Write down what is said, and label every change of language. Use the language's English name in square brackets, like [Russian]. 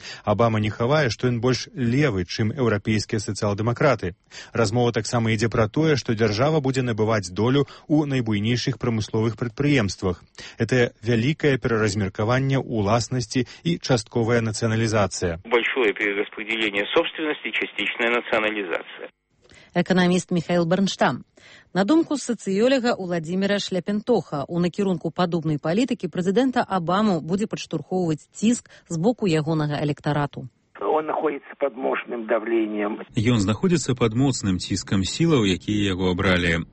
[Belarusian] Абама не хавае, што ён больш левы, чым еўрапейскія сацыял-дэмакраты. Размова таксама ідзе пра тое, што дзяржава будзе набываць долю ў найбуйнейшых прамысловых прадпрыемствах. Гэта вялікае пераразмеркаванне ўласнасці і частковая нацыяналізацыя. [Russian] Большое перераспределение собственности, частичная национализация. [Belarusian] Эканаміст Міхаэл Бернштам. На думку сацыёліга Уладзіміра Шляпентоха, у накірунку падобнай палітыкі прэзідэнта Абаму будзе падштурхоўваць ціск з боку ягонага электарату. Ён знаходзіцца пад моцным ціскам сілаў, якія яго абралі.